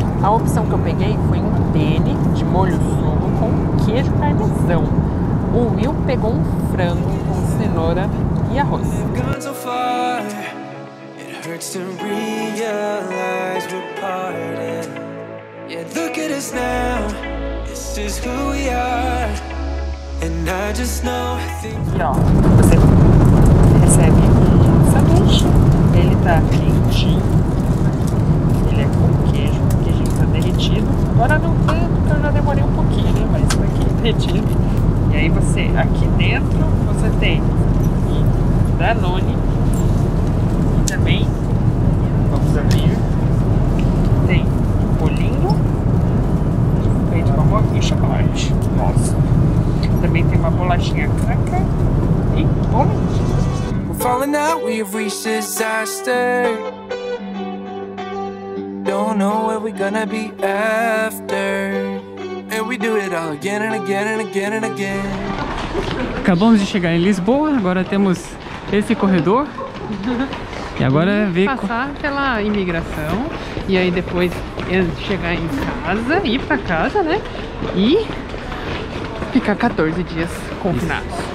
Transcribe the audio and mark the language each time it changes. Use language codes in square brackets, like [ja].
[pt] A opção que eu peguei foi um penne de molho sugo com queijo parmesão. O Will pegou um frango com cenoura e arroz. [en] We've gone so far, it hurts to realize we're parted. Yet look at us now, this is who we are. [pt] Aqui ó, você recebe um sanduíche, ele tá quentinho, ele é com queijo, o queijinho tá derretido. Agora não tanto, porque eu já demorei um pouquinho, né? Mas tá aqui derretido. E aí você, aqui dentro, você tem Danone e também, vamos abrir, tem bolinho, feito com amor e chocolate. Nossa! [en] We're falling out, we've reached disaster. Don't know where we're gonna be after. And we do it all again and again and again and again. [pt] Acabamos de chegar em Lisboa, agora temos esse corredor. E agora é ver passar pela imigração e aí depois chegar em casa, ir pra casa, né? E ficar 14 dias confinados.